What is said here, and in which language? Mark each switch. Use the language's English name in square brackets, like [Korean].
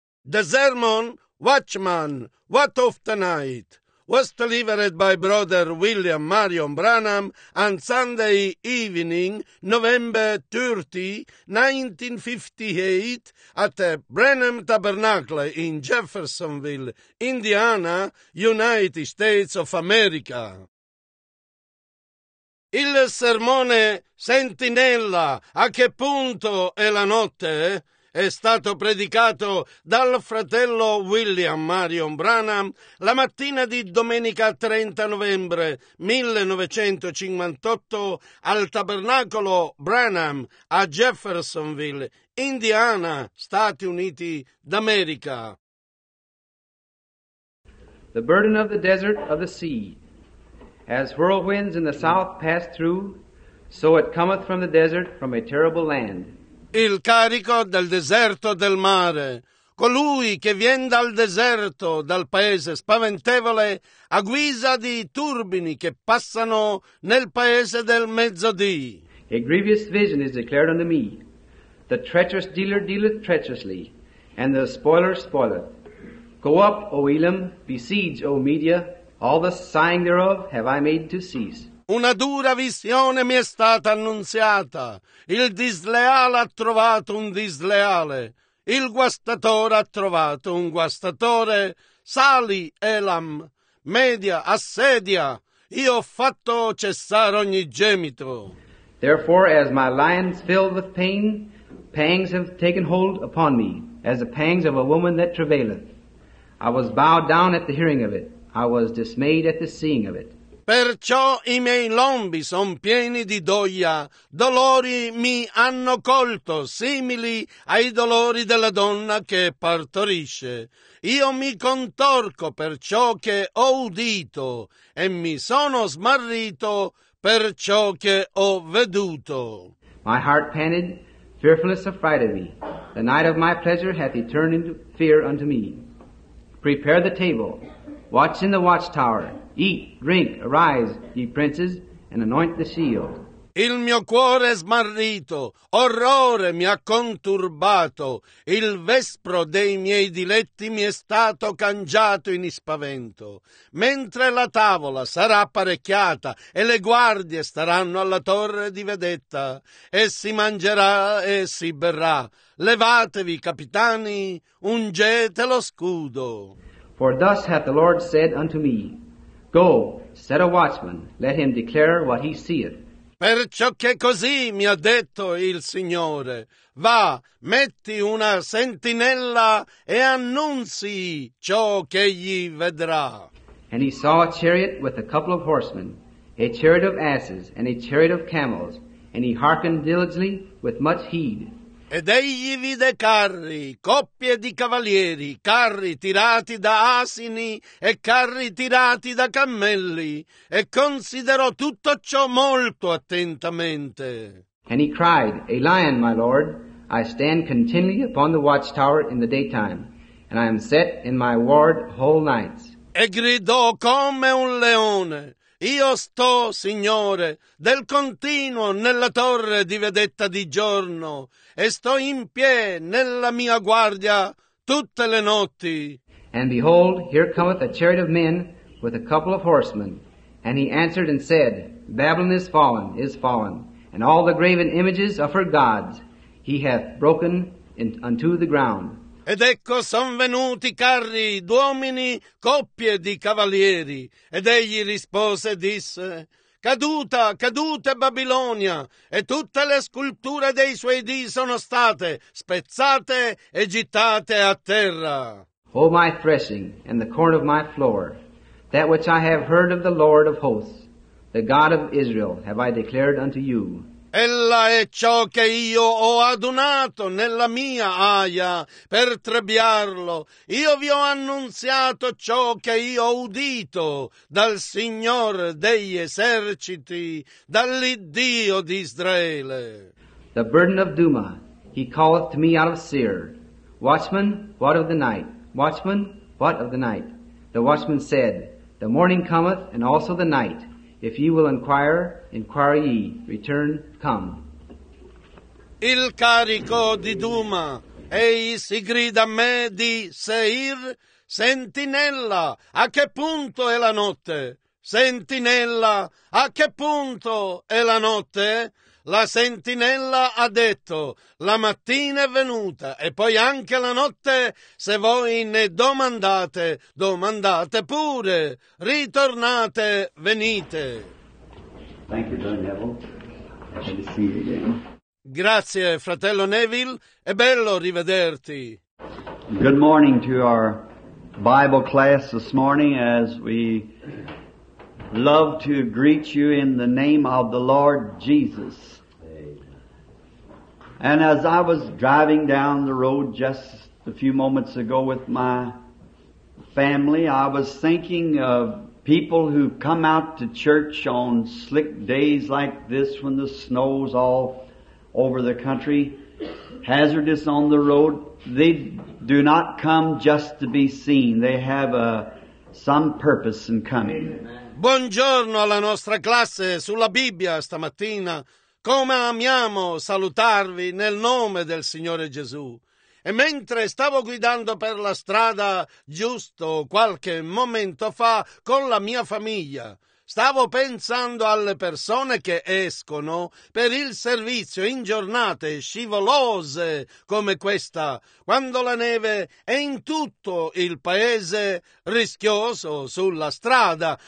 [English] The sermon, Watchman, What of the Night, was delivered by Brother William Marion Branham on Sunday evening, November 30, 1958, at the Branham Tabernacle in Jeffersonville, Indiana, United States of America. [Italian] Il sermone Sentinella, a che punto è la notte? È stato predicato dal fratello William Marion Branham la mattina di domenica 30 novembre 1958 al Tabernacolo Branham a Jeffersonville, Indiana, Stati Uniti d'America. [English] The burden of the desert of the sea. As whirlwinds in the south pass through, so it cometh from the desert from a terrible land. [Italian] Il carico del deserto del mare. Colui che vien dal deserto, dal paese spaventevole, a guisa di turbini che passano nel paese del mezzodì. [English] A grievous vision is declared unto me. The treacherous dealer dealeth treacherously, and the spoiler spoileth. Go up, O Elam, besiege, O Media, all the sighing thereof have I made to cease. [Italian] Una dura visione mi è stata annunziata. Il disleale ha trovato un disleale. Il guastatore ha trovato un guastatore. Sali, Elam, Media, assedia. Io ho fatto cessare ogni gemito. [English] Therefore, as my lions filled with pain, pangs have taken hold upon me, as the pangs of a woman that travaileth. I was bowed down at the hearing of it. I was dismayed at the seeing of it. [Italian] Perciò i miei lombi son pieni di doglia, dolori mi hanno colto, simili ai dolori della donna che partorisce. Io mi contorco per ciò che ho udito, e mi sono smarrito per ciò che ho veduto. [English] My heart panted, fearfulness affrighted me. The night of my pleasure hath he turned into fear unto me. Prepare the table, watch in the watchtower. Eat, drink, arise, ye princes, and anoint the shield. [Italian] Il mio cuore è smarrito, orrore mi ha conturbato, il vespro dei miei diletti mi è stato cangiato in spavento. Mentre la tavola sarà apparecchiata e le guardie staranno alla torre di vedetta, e si mangerà e si berrà. Levatevi, capitani, ungete lo scudo. [English] For thus hath the Lord said unto me, Go, set a watchman, let him declare what he seeth. [Italian] Perciò che così mi ha detto il Signore, va, metti una sentinella e annunzi ciò che egli vedrà. [English] And he saw a chariot with a couple of horsemen, a chariot of asses and a chariot of camels, and he hearkened diligently with much heed. [Italian] Ed egli vide carri, coppie di cavalieri, carri tirati da asini e carri tirati da cammelli, e considerò tutto ciò molto attentamente. [English] And he cried, A lion, my lord, I stand continually upon the watchtower in the daytime, and I am set in my ward whole nights. [Italian] E gridò come un leone. Io sto, Signore, del continuo nella torre di vedetta di giorno, e sto in pie nella mia guardia tutte le notti. [English] And behold, here cometh a chariot of men with a couple of horsemen. And he answered and said, Babylon is fallen, and all the graven images of her gods he hath broken unto the ground. [Italian] Ed ecco son venuti carri d'uomini, coppie di cavalieri. Ed egli rispose e disse, Caduta, caduta Babilonia, e tutte le sculture dei suoi dì sono state spezzate e gittate a terra. [English] O my threshing, and the corn of my floor, that which I have heard of the Lord of hosts, the God of Israel, have I declared unto you. [Italian] Ella è ciò che io ho adunato nella mia aia per trebbiarlo. Io vi ho annunziato ciò che io ho udito dal Signore degli eserciti, dall'Iddio di Israele. [English] The burden of Duma, he calleth to me out of Seir. Watchman, what of the night? Watchman, what of the night? The watchman said, The morning cometh, and also the night. If ye will inquire, inquire ye, return, come. [Italian] Il carico di Duma, Ehi, si grida a me di Seir, sentinella, a che punto è la notte? Sentinella, a che punto è la notte? La sentinella ha detto, la mattina è venuta e poi anche la notte, se voi ne domandate, domandate pure, ritornate, venite. [English] Thank you, Don Neville. Happy to see you again. [Italian] Grazie, fratello Neville, è bello rivederti. [English] Good morning to our Bible class this morning as we love to greet you in the name of the Lord Jesus. And as I was driving down the road just a few moments ago with my family, I was thinking of people who come out to church on slick days like this when the snow's all over the country, hazardous on the road. They do not come just to be seen. They have some purpose in coming. [Italian] Buongiorno alla nostra classe sulla Bibbia stamattina. Come amiamo salutarvi nel nome del Signore Gesù. E mentre stavo guidando per la strada giusto qualche momento fa con la mia famiglia, stavo pensando alle persone che escono per il servizio in giornate scivolose come questa, quando la neve è in tutto il paese rischioso sulla strada.